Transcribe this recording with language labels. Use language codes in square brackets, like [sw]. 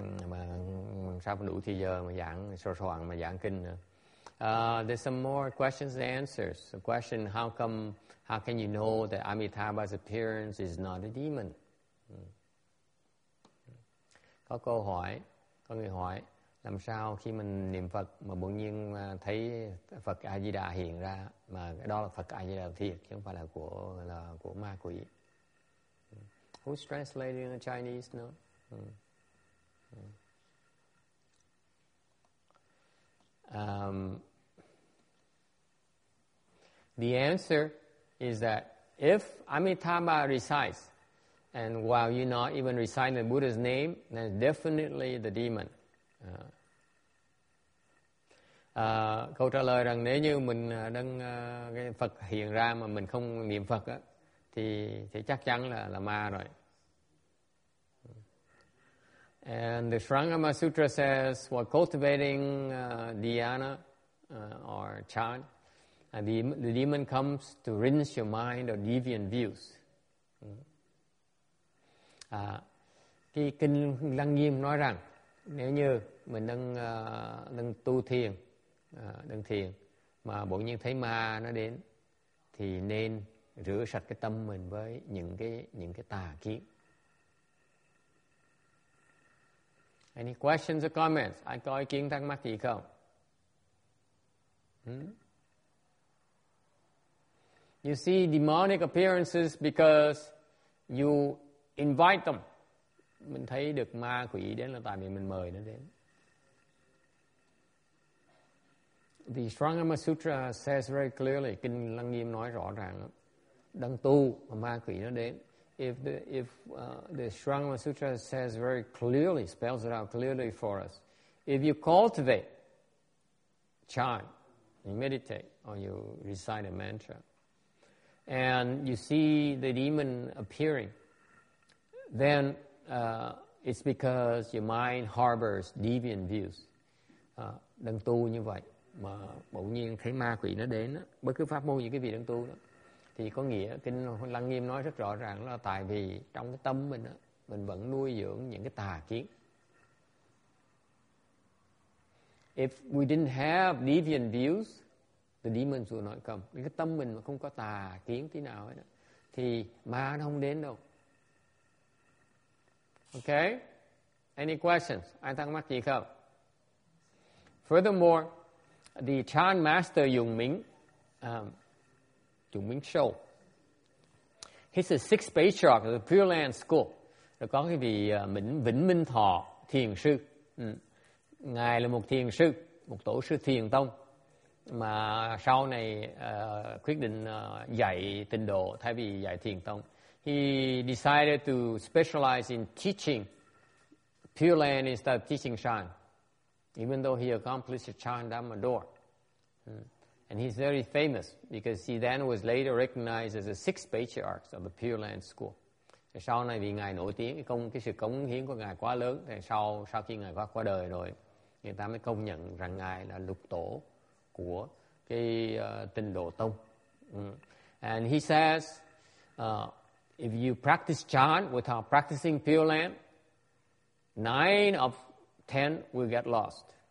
[vi] Mà sao không đủ thời giờ mà giảng soạn mà giảng kinh nữa. [en] There's some more questions and answers. The question, how can you know that Amitabha's appearance is not a demon? [vi] Có câu hỏi, có người hỏi. Làm sao khi mình niệm Phật mà bỗng nhiên thấy Phật A Di Đà hiện ra mà cái đó là Phật A Di Đà thiệt chứ không phải là của ma quỷ. [en] Who's translating in Chinese now? The answer is that if Amitabha resides and while you're not even reciting the Buddha's name, then definitely the demon. [vi] Câu trả lời rằng nếu như mình đang cái Phật hiện ra mà mình không niệm Phật á thì chắc chắn là ma rồi. [en] And the Sarangama Sutra says while cultivating dhyana or chan, the demon comes to rinse your mind of deviant views. [vi] Cái kinh Lăng Nghiêm nói rằng nếu như mình đang tu thiền đang thiền mà bỗng nhiên thấy ma nó đến thì nên rửa sạch cái tâm mình với những cái tà kiến. [en] Any questions or comments? [vi] Ai có ý kiến thắc mắc gì không? [en] You see demonic appearances because you invite them. [vi] Mình thấy được ma quỷ đến là tại vì mình mời nó đến. [en] The Sri Rama Sutra says very clearly, [vi] Kinh Lăng Nghiêm nói rõ ràng, đang tu mà ma quỷ nó đến. [en] If the Sri Rama Sutra says very clearly, spells it out clearly for us, if you cultivate, chant, you meditate, or you recite a mantra, and you see the demon appearing, then it's because your mind harbors deviant views. [vi] Đang tu như vậy mà bỗng nhiên thấy ma quỷ nó đến, bất cứ pháp môn gì cái vị đang tu đó, thì có nghĩa Kinh Lăng Nghiêm nói rất rõ ràng là tại vì trong cái tâm mình đó, mình vẫn nuôi dưỡng những cái tà kiến. [en] If we didn't have deviant views, the demons would not come. [vi] Cái tâm mình mà không có tà kiến tí nào hết đó, thì ma nó không đến đâu. [en] Okay? Any questions? [vi] Ai thắc mắc gì không? [en] Furthermore, the Chan Master Yung Ming Show. He's a sixth patriarch of the Pure Land School. [vi] Rồi có cái vị Vĩnh Minh Thọ Thiền Sư. Ngài là một thiền sư, một tổ sư thiền tông, mà sau này quyết định dạy tịnh độ thay vì dạy thiền tông. [en] He decided to specialize in teaching Pure Land instead of teaching Chan, even though he accomplished Chan Dhamma Door. And he's very famous because he then was later recognized as the sixth patriarch of the Pure Land School. [vi] Sau này vì Ngài nổi tiếng, cái sự cống hiến của Ngài quá lớn, thì sau khi Ngài qua đời rồi, người ta mới công nhận rằng Ngài là lục tổ của cái tịnh độ tông. [en] And he says, if you practice Chan without practicing Pure Land, 9 of 10 will get lost.